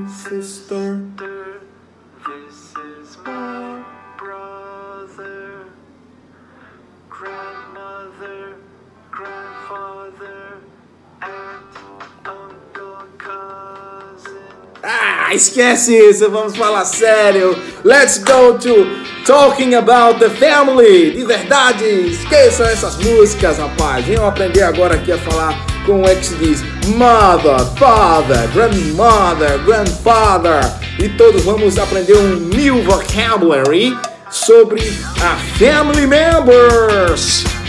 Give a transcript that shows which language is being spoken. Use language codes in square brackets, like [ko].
[en] Sister, this is my brother, grandmother, grandfather, aunt, uncle, cousin. [pt] Ah, esquece isso, vamos falar sério. [en] Let's go to talking about the family. [pt] De verdade, esqueçam essas músicas, rapaz. Venham aprender agora aqui a falar como é que se diz mother, father, grandmother, grandfather. E todos vamos aprender um [en] new vocabulary [pt] sobre a [en] family members.